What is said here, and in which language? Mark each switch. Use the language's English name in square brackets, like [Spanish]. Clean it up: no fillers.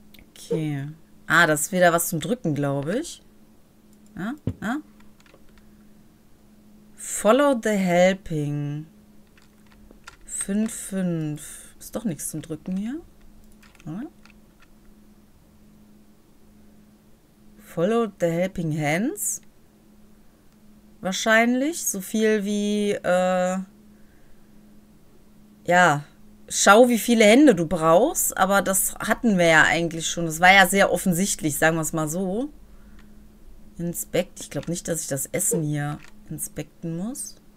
[German] Okay. Ah, das ist wieder was zum Drücken, glaube ich. Ja? Ja? [English] Follow the helping. 5-5. [German] Ist doch nichts zum Drücken hier. Ja? [English] Follow the helping hands. [German] Wahrscheinlich. So viel wie, ja, schau, wie viele Hände du brauchst. Aber das hatten wir ja eigentlich schon. Das war ja sehr offensichtlich, sagen wir es mal so. Inspect. Ich glaube nicht, dass ich das Essen hier inspekten muss.